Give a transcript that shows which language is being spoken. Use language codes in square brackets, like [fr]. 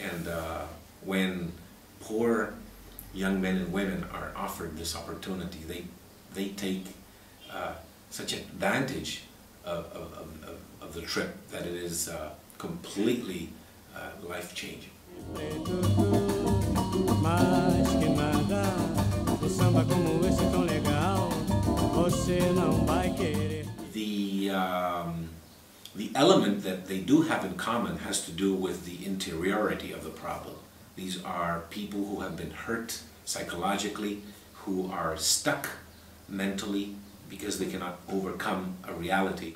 [en] And when poor young men and women are offered this opportunity, they take such advantage of the trip that it is completely life-changing. [pt] Mas que nada, o samba como esse tão legal, você não vai querer. [en] The element that they do have in common has to do with the interiority of the problem. These are people who have been hurt psychologically, who are stuck mentally, because they cannot overcome a reality.